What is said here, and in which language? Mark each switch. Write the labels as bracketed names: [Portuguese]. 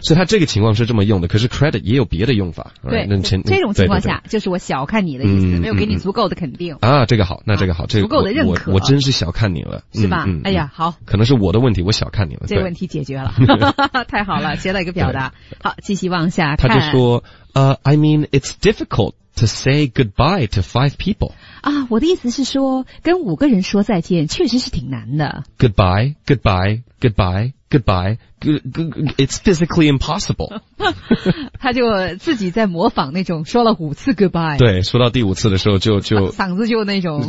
[Chinese] 所以他这个情况是这么用的，可是 credit 也有别的用法。对，这种情况下就是我小看你的意思，没有给你足够的肯定。啊，这个好，那这个好，这个足够的认可。我真是小看你了，是吧？哎呀，好。可能是我的问题，我小看你了。这个问题解决了，太好了，学到一个表达。好，继续往下看。他就说， [English] I mean it's difficult to say goodbye to five people。 [Chinese] 啊，我的意思是说，跟五个人说再见确实是挺难的。 [English] Goodbye, goodbye, goodbye, goodbye, it's physically impossible. [Chinese] 他就自己在模仿那种说了五次 goodbye。对，说到第五次的时候就嗓子就那种